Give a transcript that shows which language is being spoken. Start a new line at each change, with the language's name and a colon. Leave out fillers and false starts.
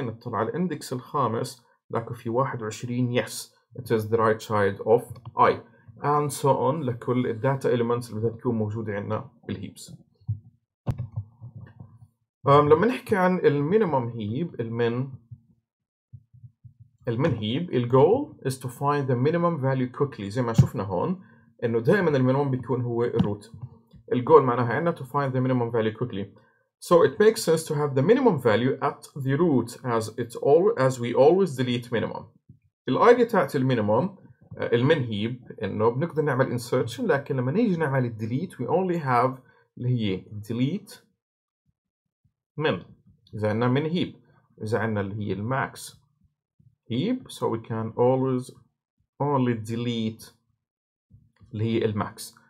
Arabic: نطلع على الاندكس الخامس لكن في 21 يس
English: it is the right child of i and so on
Arabic: لكل الداتا إليمنتس اللي بدها تكون موجودة عندنا بالهيبس. لما نحكي عن المينيموم هيب المين هيب الجول
English: is to find the minimum value quickly
Arabic: زي ما شفنا هون انه دائما المينيموم بيكون هو الروت. الجول معناها عندنا
English: to find the minimum value quickly. So it makes sense to have the minimum value at the root as it all as we always delete minimum.
Arabic: الايديا تاعت المينيموم المين هيب انه بنقدر نعمل insertion لكن لما نيجي نعمل الديليت
English: we only have
Arabic: اللي هي delete min. اذا عندنا من هيب اذا عندنا اللي هي الماكس هيب
English: so we can always only delete
Arabic: اللي هي الماكس.